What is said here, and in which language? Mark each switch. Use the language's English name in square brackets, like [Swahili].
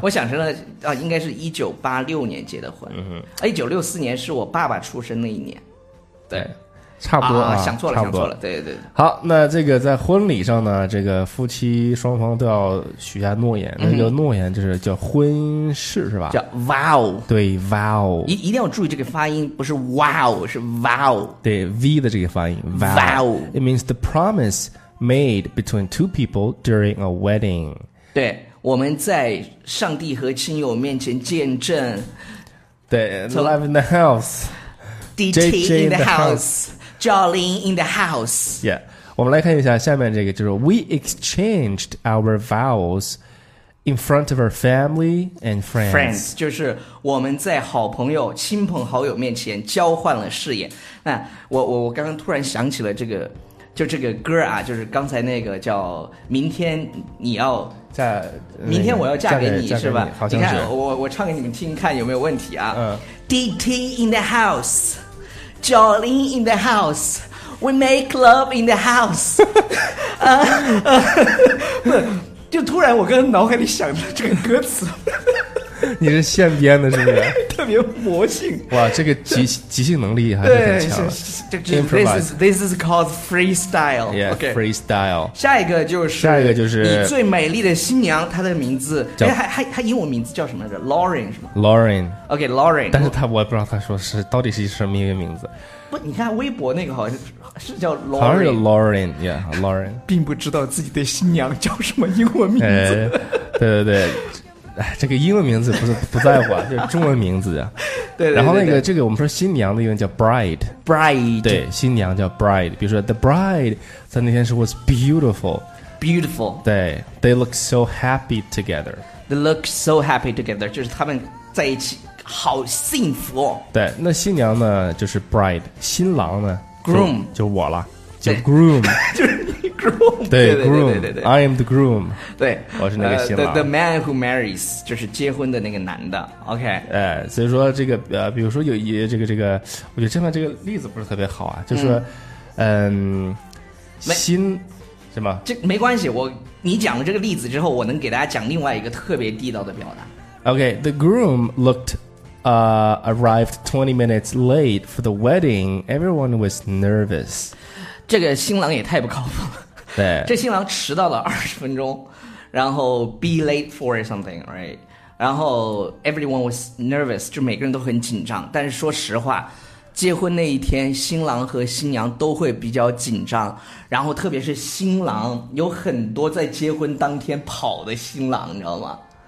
[Chinese] 我想成了啊，应该是1986年结的婚，1964年是我爸爸出生那一年，对，差不多，啊，想错了，想错了，对对对。好，那这个在婚礼上呢，这个夫妻双方都要许下诺言，那个诺言就是叫婚誓，是吧？叫 vow，对 vow，一定要注意这个发音，不是 wow， 是 vow，对 v 的这个发音 vow， [English] it means the promise。 Made between two people during a wedding. [Chinese] 对，我们在上帝和亲友面前见证。 [English] 对 ，Live in the house. DT JJ in the house. Jolene in the house. Yeah， [Chinese] 我们来看一下下面这个，就是 [English] We exchanged our vows in front of our family and friends. [Chinese] Friends 就是我们在好朋友、亲朋好友面前交换了誓言。那我刚刚突然想起了这个。就这个歌啊，就是刚才那个叫明天你要嫁，明天我要嫁给你，是吧？好像是。你看我唱给你们听看有没有问题啊。嗯。 [English] DT in the house， Jolene in the house， we make love in the house。 [Chinese] 就突然我跟脑海里想的这个歌词。你是现编的是不是？特别魔性。哇，这个即兴能力还是很强的。 [English] 对，This is called freestyle. Yeah, okay. Freestyle. [Chinese] 下一个就是你最美丽的新娘，她的名字叫，她英文名字叫什么来着 ？Lauren 是吗 [English] ？Lauren. Okay, Lauren. [Chinese] 但是她我也不知道她说是到底是什么一个名字。不，你看微博那个好像是叫 Lauren，好像是 Lauren， yeah， Lauren，并不知道自己的新娘叫什么英文名字。哎，对对对。哎，这个英文名字不在乎啊，就是中文名字啊。对。然后那个这个我们说新娘的英文叫 bride， bride，对，新娘叫 bride。比如说 the bride 在那天是 [English] was beautiful， beautiful，对， they look so happy together， they look so happy together， [Chinese] 就是他们在一起好幸福。对，那新娘呢就是 bride， 新郎呢 [English] groom， [Chinese] 就我了，叫 groom，就是。Groom，对 [English] groom， I am the groom， [Chinese] 对，我是那个新郎。 [English] The man who marries， [Chinese] 就是结婚的那个男的。 [English] OK， [Chinese] 哎，所以说这个比如说有一这个，我觉得这边这个例子不是特别好啊，就是说，新什么？这没关系，你讲了这个例子之后，我能给大家讲另外一个特别地道的表达。 [English] OK，the groom looked arrived 20 minutes late for the wedding. Everyone was nervous。 [Chinese] 这个新郎也太不靠谱了。对，这新郎迟到了20分钟，然后 [English] be late for something， right？ [Chinese] 然后 [English] everyone was nervous， [Chinese] 就每个人都很紧张。但是说实话，结婚那一天，新郎和新娘都会比较紧张，然后特别是新郎，有很多在结婚当天跑的新郎，你知道吗？